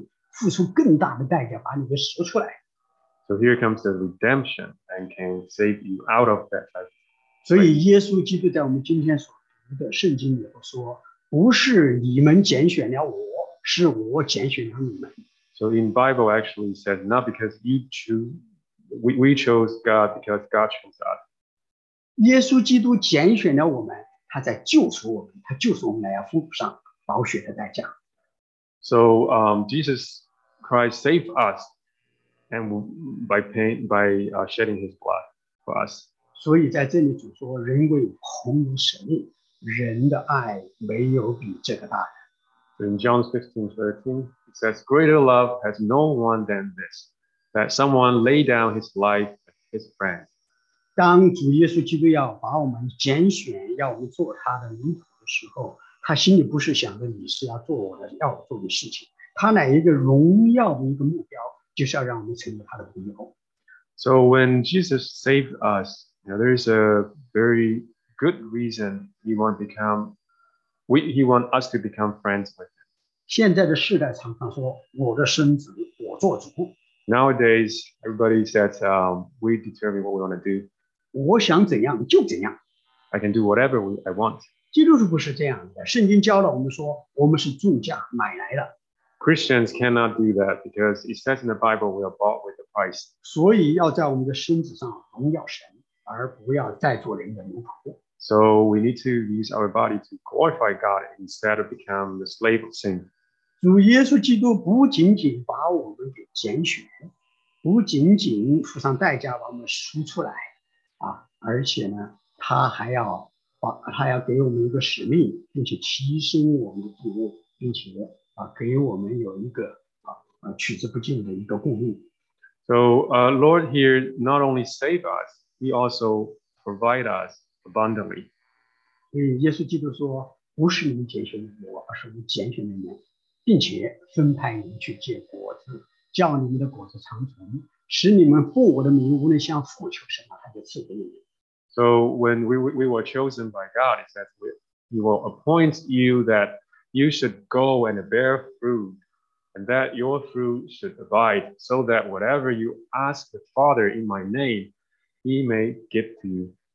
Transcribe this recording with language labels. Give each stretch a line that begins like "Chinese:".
Chinese: 就是你有至亲的亲属，可以把你一做奴隶，可以把你付出更大的代价，把你给赎出来。
English: So here comes the redemption and can save you out of that type
Chinese: 所以耶稣基督在我们今天所读的圣经里头说，不是你们拣选了我，是我拣选了你们。
English: So in Bible actually says, not because you choose, we chose God because God chose us.
Chinese: 耶稣基督拣选了我们，他在救赎我们，他救赎我们来付上宝血的代价。
English: So Jesus Christ saved us and shedding his blood for us.
Chinese: 所以在这里主说，人为鸿门舍命，人的爱没有比这个大。
English: In John 15:13, it says, "Greater love has no one than this, that someone lay down his life for his friend."
Chinese: 当主耶稣基督要把我们拣选，要我们做他的门徒的时候，他心里不是想着你是要做我的，要我做的事情。他乃一个荣耀的一个目标，就是要让我们成为他的朋友。
English: So when Jesus saved us, now there is a very good reason he want to become. He wants us to become friends with him.
Chinese: 现在的世代常常说，我的身子，我做主。
English: Nowadays, everybody says, we determine what we want to do.
Chinese: 我想怎样就怎样。
English: I can do whatever I want.
Chinese: 基督徒不是这样的，圣经教了我们说，我们是重价买来的。
English: Christians cannot do that because it says in the Bible we are bought with a price.
Chinese: 所以要在我们的身子上荣耀神，而不要再做人的奴仆。
English: So we need to use our body to glorify God instead of become the slave of sin.
Chinese: 主耶稣基督不仅仅把我们给拣选，不仅仅付上代价把我们赎出来，啊，而且呢，他要给我们一个使命，并且提升我们的地位，并且啊，给我们有一个啊取之不尽的一个供应。
English: So, Lord here not only save us, He also provide us. Abundantly.
Chinese: 所以耶稣基督说，不是你们拣选的我，而是我拣选的你，并且分派你们去结果子，叫你们的果子长存，使你们奉我的名无论向父求什么，他就赐给你们。
English: So when we were chosen by God, it says we will appoint you that you should go and bear fruit, and that your fruit should abide, so that whatever you ask the Father in my name, he may give to you.